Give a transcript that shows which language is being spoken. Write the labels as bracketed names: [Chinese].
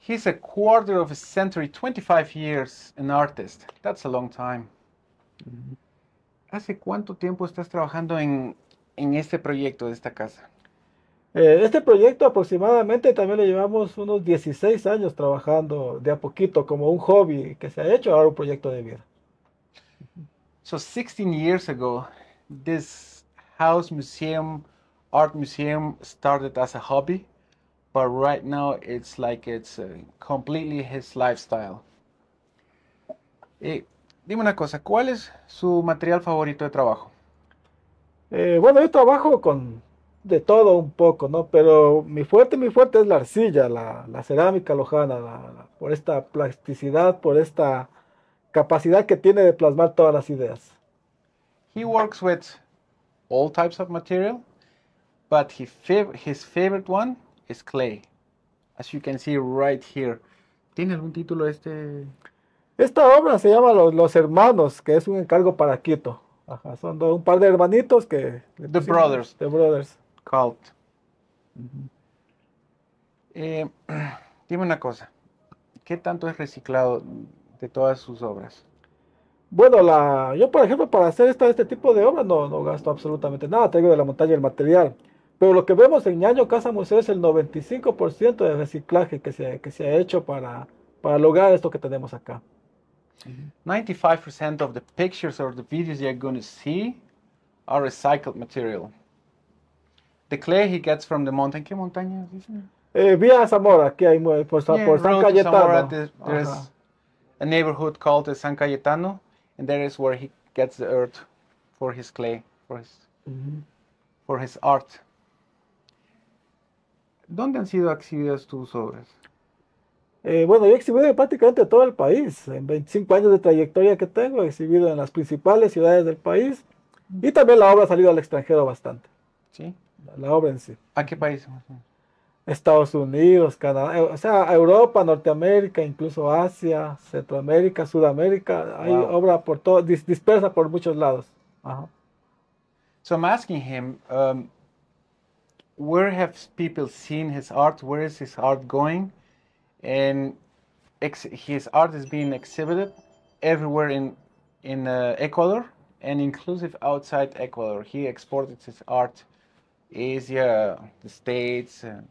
[English] He's a quarter of a century, 25 years an artist. That's a long time. [Spanish] ¿Hace cuánto tiempo estás trabajando en este proyecto de esta casa? Este proyecto aproximadamente también le llevamos unos 16 años trabajando de a poquito como un hobby que se ha hecho ahora un proyecto de vida. [English] So 16 years ago, this house museum, art museum started as a hobby, but right now it's like it's completely his lifestyle. [Spanish] Dime una cosa, ¿cuál es su material favorito de trabajo? Bueno, yo trabajo con de todo un poco, ¿no? Pero mi fuerte es la arcilla, la cerámica lojana, por esta plasticidad, por esta capacidad que tiene de plasmar todas las ideas. [English] He works with all types of material, but his favorite one is clay, as you can see right here. [Spanish] ¿Tiene algún título este? Esta obra se llama Los Hermanos, que es un encargo para Quito. Ajá, son un par de hermanitos que [English] The Brothers. The Brothers. Cult. [Spanish] Dime una cosa, ¿qué tanto es reciclado de todas sus obras? Bueno, yo por ejemplo para hacer este tipo de obras no gasto absolutamente nada, traigo de la montaña el material. Pero lo que vemos en ñaño Casa Museo es el 95% de reciclaje que se ha hecho para lograr esto que tenemos acá. [English] 95% of the pictures or the videos you're going to see are recycled material. The clay he gets from the mountain. [Spanish] ¿Qué montaña es esa? Vía Zamora, aquí hay por San Cayetano. [English] Zamora, there's a neighborhood called San Cayetano, and there is where he gets the earth for his clay, for his art. [Spanish] ¿Dónde han sido exhibidas tus obras? Bueno, yo he exhibido en prácticamente todo el país. En 25 años de trayectoria que tengo, he exhibido en las principales ciudades del país, y también la obra ha salido al extranjero bastante. Sí. La obra en sí. ¿A qué país? Estados Unidos, Canadá, o sea, Europa, Norteamérica, incluso Asia, Centroamérica, Sudamérica. Wow. Hay obra por todo, dispersa por muchos lados. Ajá. [English] So I'm asking him, where have people seen his art? Where is his art going? And his art is being exhibited everywhere in Ecuador and inclusive outside Ecuador. He exported his art. Asia, the States,